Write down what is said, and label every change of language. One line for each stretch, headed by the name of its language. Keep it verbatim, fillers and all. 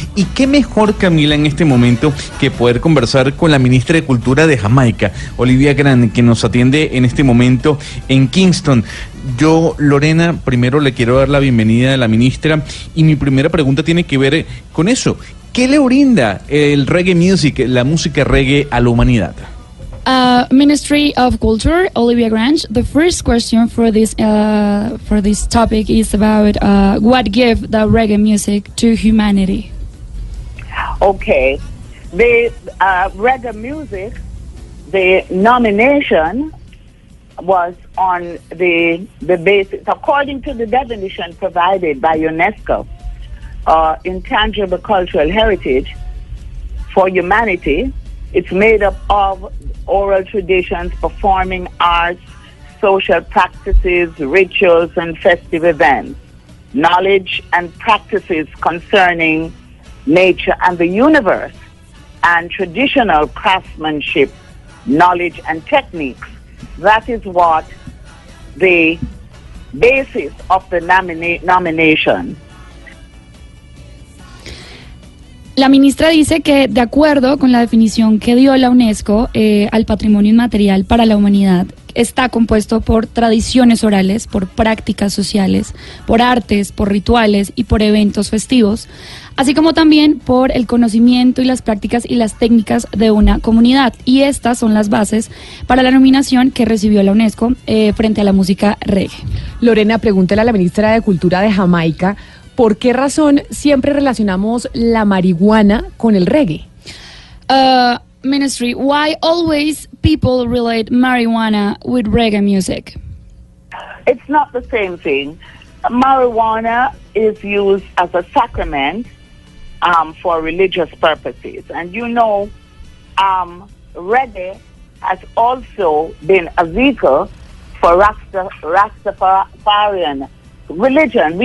Spanish: Y qué mejor, Camila, en este momento que poder conversar con la ministra de Cultura de Jamaica, Olivia Grant, que nos atiende en este momento en Kingston. Yo, Lorena, primero le quiero dar la bienvenida a la ministra y mi primera pregunta tiene que ver con eso. ¿Qué le brinda el reggae music, la música reggae, a la humanidad?
English: Uh, Ministry of Culture, Olivia Grant. The first question for this uh, for this topic is about uh, what gives the reggae music to humanity. Okay, the uh, reggae music, the nomination was on the the basis according to the definition provided by UNESCO, uh, intangible cultural heritage for humanity. It's made up of oral traditions, performing arts, social practices, rituals, and festive events, knowledge and practices concerning nature and the universe, and traditional craftsmanship, knowledge, and techniques. That is what the basis of the nomina- nomination.
Spanish: La ministra dice que, de acuerdo con la definición que dio la UNESCO eh, al patrimonio inmaterial para la humanidad, está compuesto por tradiciones orales, por prácticas sociales, por artes, por rituales y por eventos festivos, así como también por el conocimiento y las prácticas y las técnicas de una comunidad. Y estas son las bases para la nominación que recibió la UNESCO eh, frente a la música reggae. Lorena, pregúntale a la ministra de Cultura de Jamaica, ¿por qué razón siempre relacionamos la marihuana con el reggae?
English: Uh, ministry, why always people relate marijuana with reggae music? It's not the same thing. Marijuana is used as a sacrament um, for religious purposes. And you know, um, reggae has also been a vehicle for Rasta, Rastafarian religion.